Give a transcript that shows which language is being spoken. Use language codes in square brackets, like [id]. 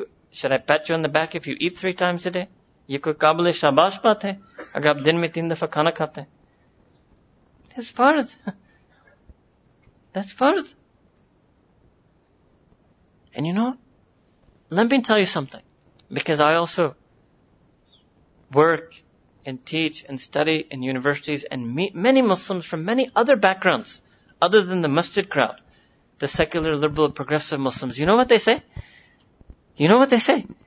[en] Should I pat you on the back if you eat 3 times a day? [ur] یہ کوئی قابلِ شاباش بات ہے، اگر آپ دن میں 3 دفعہ کھانا کھاتے ہیں. [en] That's farz. That's farz. And you know, let me tell you something. Because I also work and teach and study in universities and meet many Muslims from many other backgrounds, other than the masjid crowd, the secular, liberal, progressive Muslims. You know what they say? You know what they say?